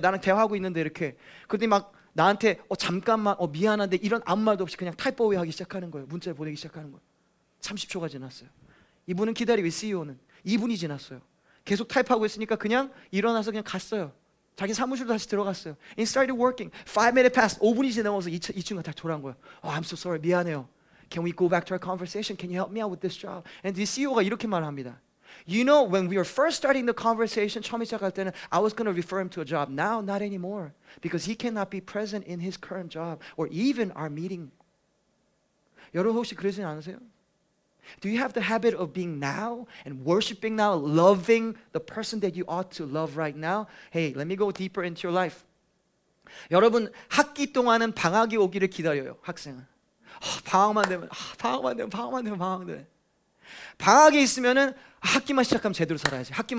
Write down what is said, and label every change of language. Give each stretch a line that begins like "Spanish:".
Korean: 나랑 대화하고 있는데 이렇게. 그런데 막 나한테 잠깐만, 미안한데 이런 아무 말도 없이 그냥 타이포웨이 하기 시작하는 거예요. 문자를 보내기 시작하는 거예요. 30초가 지났어요. 이분은 기다리고, CEO는 2분이 지났어요. 계속 타입하고 있으니까 그냥 일어나서 그냥 갔어요. 자기 사무실로 다시 들어갔어요.
English: And started working. 5 minutes passed.
Korean: 5분이 지나면서 이 친구가 다시 돌아온 거예요.
English: Oh, I'm so sorry.
Korean: 미안해요.
English: Can we go back to our conversation? Can you help me out with this job? And the CEO가
Korean: 이렇게 말합니다.
English: You know, when we were first starting the conversation,
Korean: 처음 시작할 때는
English: I was going to refer him to a job. Now, not anymore. Because he cannot be present in his current job or even our meeting.
Korean: 여러분 혹시 그러진 않으세요?
English: Do you have the habit of being now and worshiping now, loving the person that you ought to love right now? Hey, let me go deeper into your life.
Korean: 여러분, 학기 동안은 방학이 오기를 기다려요, 학생은. 방학만 되면. 방학이 있으면은 학기만 시작하면 제대로 살아야지.